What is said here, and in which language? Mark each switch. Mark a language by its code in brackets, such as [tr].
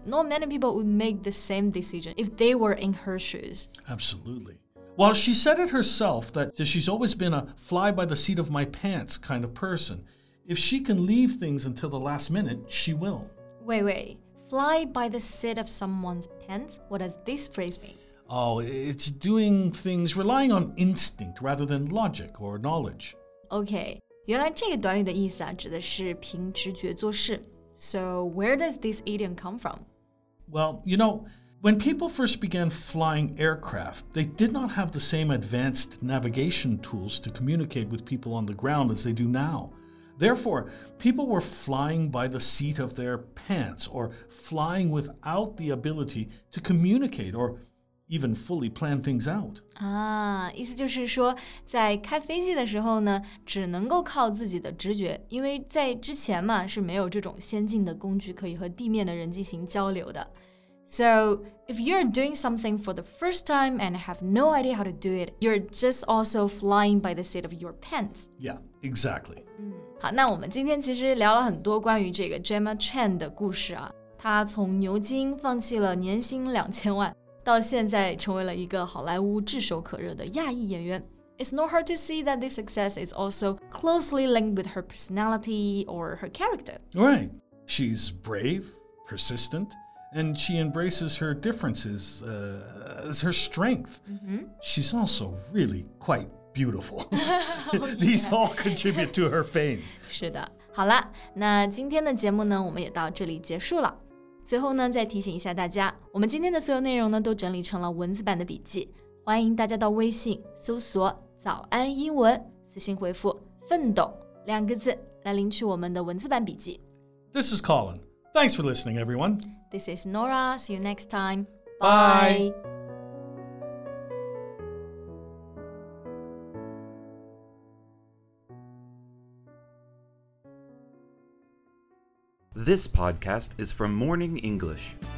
[en] Not many people would make the same decision if they were in her shoes. Absolutely. Well, she said it herself that she's always been a fly by the seat of my pants kind of person. If she can leave things until the last minute, she will. Wait, fly by the seat of someone's pants? What does this phrase mean? Oh, it's doing things relying on instinct rather than logic or knowledge. [zh] Okay, 原来这个短语的意思啊，指的是凭直觉做事。 [en] So where does this idiom come from? Well, you know, when people first began flying aircraft, they did not have the same advanced navigation tools to communicate with people on the ground as they do now. Therefore, people were flying by the seat of their pants or flying without the ability to communicate or even fully plan things out. [zh] 啊，意思就是说在开飞机的时候呢，只能够靠自己的直觉，因为在之前嘛，是没有这种先进的工具可以和地面的人进行交流的。 [en] So, if you're doing something for the first time and have no idea how to do it, you're just also flying by the seat of your pants. Yeah, exactly. [zh] 好，那我们今天其实聊了很多关于这个 Gemma Chan 的故事啊。她从牛津放弃了年薪2000万，到现在成为了一个好莱坞炙手可热的亚裔演员。 [en] It's not hard to see that this success is also closely linked with her personality or her character. Right. She's brave, persistent,And she embraces her differences as her strength. Mm-hmm. She's also really quite beautiful. Oh, yeah. These all contribute to her fame. [zh] 是的，好了，那今天的节目呢，我们也到这里结束了。最后呢，再提醒一下大家，我们今天的所有内容呢，都整理成了文字版的笔记，欢迎大家到微信搜索“早安英文”，私信回复“奋斗”两个字来领取我们的文字版笔记。 [en] This is Colin. Thanks for listening, everyone. This is Nora. See you next time. Bye. This podcast is from Morning English.